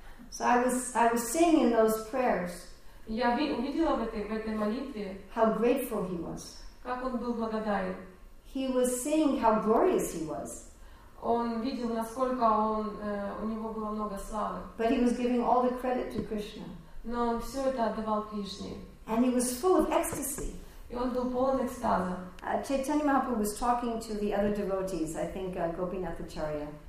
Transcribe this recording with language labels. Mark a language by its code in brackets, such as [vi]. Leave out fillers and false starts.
[en] So I was singing in those prayers. [ru] Я увидела в этой молитве, [en] how grateful he was. [ru] Как он был благодарен. [en] He was seeing how glorious he was. [ru] Он видел, насколько он у него было много славы. [en] But he was giving all the credit to Krishna. [ru] Но он все это отдавал Кришне. [en] And he was full of ecstasy. [ru] И он был полон экстаза. [en] Chaitanya Mahaprabhu was talking to the other devotees, I think Gopinath Acharya.